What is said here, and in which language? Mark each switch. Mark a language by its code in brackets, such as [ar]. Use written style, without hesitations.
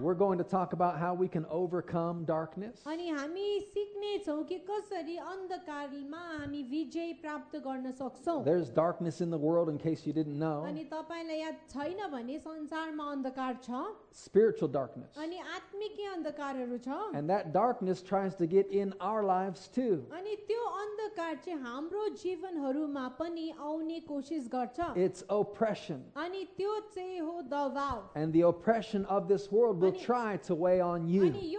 [en] we're going to talk about how we can overcome darkness. [ne] अनि हामी सिक्ने छौ कि कसरी अन्धकारमा हामी विजय प्राप्त गर्न सक्छौ. [en] There's darkness in the world in case you didn't know. [ne] अनि तपाईलाई याद छैन भने संसारमा अन्धकार छ. [en] Spiritual darkness. [ne] अनि आत्मिक अन्धकारहरु छ. [en] And that darkness tries to get in our lives too. [ne] अनि त्यो अन्धकार चाहिँ हाम्रो जीवनहरुमा पनि आउने कोसिस गर्छ. [en] It's oppression. [ne] अनि त्यो चाहिँ हो दबाव. [en] And the oppression of this world will try to weigh on you.